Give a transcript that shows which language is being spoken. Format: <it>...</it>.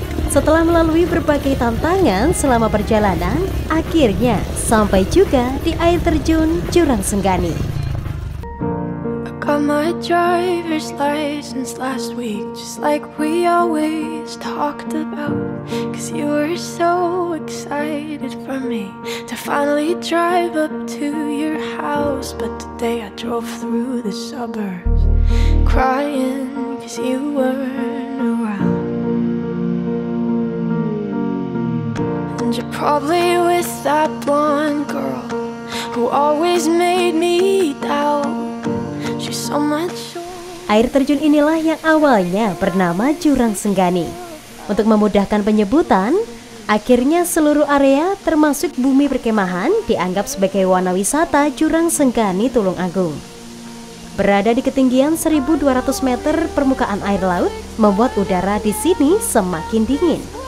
<id>Setelah melalui berbagai tantangan selama perjalanan, akhirnya sampai juga di air terjun Jurang Senggani.</id> <en>I got my driver's license last week, just like we always talked about. 'Cause you were so excited for me to finally drive up to your house. But today I drove through the suburbs, crying 'cause you weren't around. And you're probably with that blonde girl who always made me doubt. She's so much.</en> <id>Air terjun inilah yang awalnya bernama Jurang Senggani. Untuk memudahkan penyebutan, akhirnya seluruh area termasuk bumi perkemahan dianggap sebagai wana wisata Jurang Senggani Tulung Agung. Berada di ketinggian 1200 meter permukaan air laut membuat udara di sini semakin dingin.</id>